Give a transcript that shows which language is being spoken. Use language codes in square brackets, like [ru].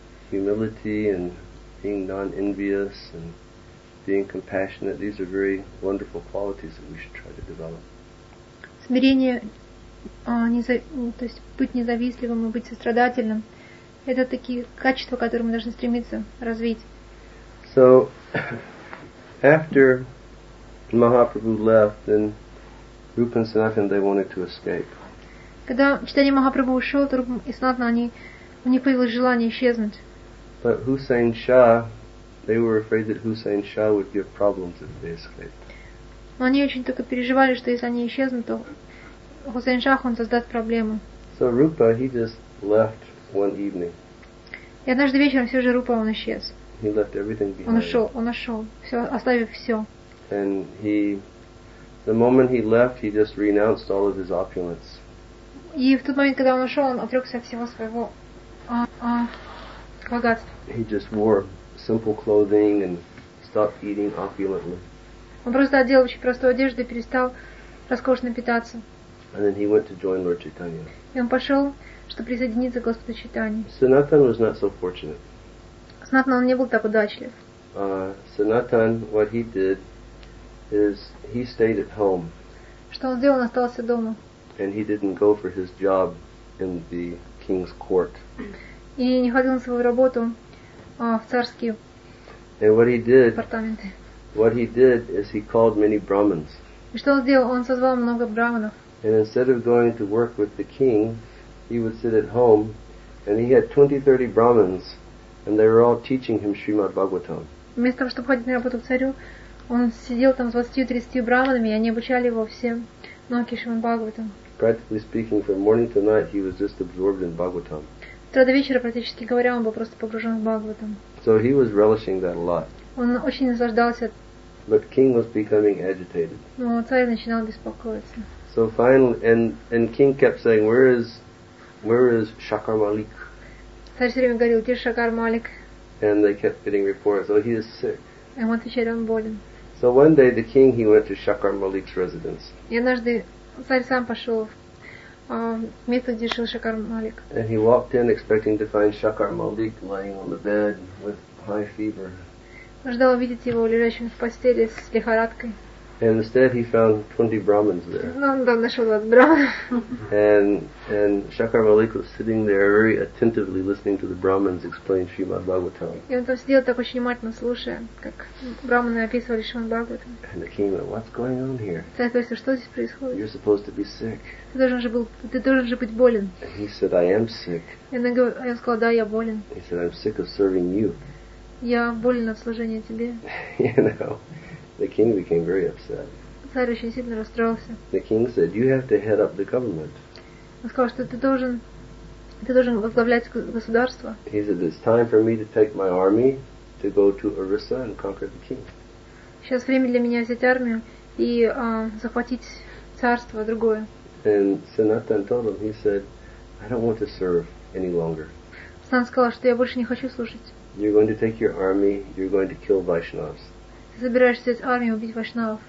[en] Humility and being non-envious and being compassionate, these are very wonderful qualities that we should try to develop. [ru] Смирение, то есть быть независтливым и быть сострадательным. Это такие качества, которые мы должны стремиться развить. [en] So, after Mahaprabhu left, then Rupa and Sanatan, they wanted to escape. [ru] Когда Чайтанья Махапрабху ушел, то Рупа и Санатана, у них появилось желание исчезнуть. [en] But Хусейн Шах, they were afraid that Хусейн Шах would give problems if they escaped. [ru] Но они очень только переживали, что если они исчезнут, то Хусейн Шах, он создаст проблемы. [en] So Rupa, he just left one evening. [ru] И однажды вечером все же Рупа, он исчез. [en] He left everything behind. [ru] Он ушел, все, оставив все. [en] And he, the moment he left, he just renounced all of his opulence. [ru] И в тот момент, когда он ушел, он отрекся от всего своего богатства. [en] He just wore simple clothing and stopped eating opulently. [ru] Он просто одел очень простую одежду и перестал роскошно питаться. [en] And then he went to join Lord Chaitanya. [ru] И он пошел, чтобы присоединиться к Господу Чайтанье. [en] Sanatan was not so fortunate. [ru] Sanatan, он не был так удачлив. [en] Sanatan, what he did is he stayed at home. [ru] Что он сделал? Он остался дома. [en] And he didn't go for his job in the king's court. [ru] И не ходил на свою работу в царские [en] And what he did [ru] департаменты. [en] What he did is he called many Brahmins. [ru] И что он сделал? Он созвал много Брахманов. [en] And instead of going to work with the king, he would sit at home, and he had 20-30 Brahmins, and they were all teaching him Srimad Bhagavatam. [ru] Вместо того, чтобы ходить на работу к царю, он сидел там с 20-30 Брахманами, и они обучали его всем науке Шримад Бхагаватам. [en] Practically speaking, from morning to night, he was just absorbed in Bhagavatam. [ru] До вечера, практически говоря, он был просто погружен в Бхагаватам. [en] So he was relishing that a lot. [ru] Он очень наслаждался. [en] But king was becoming agitated. [ru] Но царь начинал беспокоиться. [en] So finally, and king kept saying, where is Shakar Malik? [ru] Царь все время говорил, где Шакар Малик? [en] And they kept getting reports, oh, he is sick. [ru] И он отвечает, он болен. [en] So one day the king, he went to Shakar Malik's residence. [ru] И однажды царь сам пошел в место, где жил Шакар Малик. [en] And he walked in expecting to find Shakar Malik lying on the bed with high fever. [ru] Ждал увидеть его лежащим в постели с лихорадкой. [en] And instead he found 20 Brahmins there. [ru] Но он там нашел 20 Брахманов. [en] And Shakar Malik was sitting there very attentively listening to the Brahmins explain Srimad Bhagavatam. [ru] И он там сидел так очень внимательно, слушая, как Брахманы описывали Шримад Бхагаватам. [en] And the king went, what's going on here? [ru] Царь спросил, что здесь происходит? [en] You're supposed to be sick. [ru] Ты должен же быть болен. [en] And he said, I am sick. [ru] И он сказал, да, я болен. [en] He said, I'm sick of serving you. [ru] Я болен от служения тебе. [en] You know, the king became very upset. [ru] Царь очень сильно расстроился. [en] The king said, you have to head up the government. [ru] Он сказал, что ты должен возглавлять государство. [en] He said, it's time for me to take my army to go to Orissa and conquer the king. [ru] Сейчас время для меня взять армию и захватить царство другое. [en] And Sanatan told him, he said, I don't want to serve any longer. [ru] Сан сказал, что я больше не хочу служить. [en] You're going to take your army, you're going to kill Vaishnavas. [ru] Ты собираешься взять армию, убить Вайшнавов.